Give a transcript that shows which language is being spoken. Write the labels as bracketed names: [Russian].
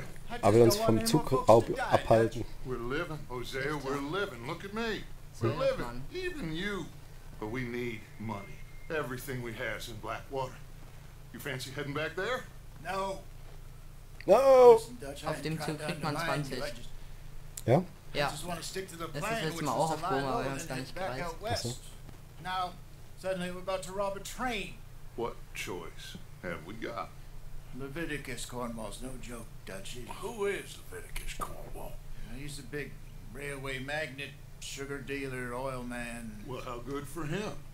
[German] Er will uns vom Zug abhalten. [English] We're living, Hosea, we're living. Look at me. We're living, even you. But we need money. Everything we have is in Blackwater. You fancy heading back there? No. No. [German] Auf dem Zug kriegt man 20. Ja? Ja. Das ist jetzt mal auch auf Koma, weil man es gar nicht kreist. [English] Now, suddenly we're about to rob a train. What choice have we got? Leviticus Cornwall's no joke, Dutchie. Well, who is Leviticus Cornwall? He's a big railway magnet, sugar dealer, oil man. Well, how good for him.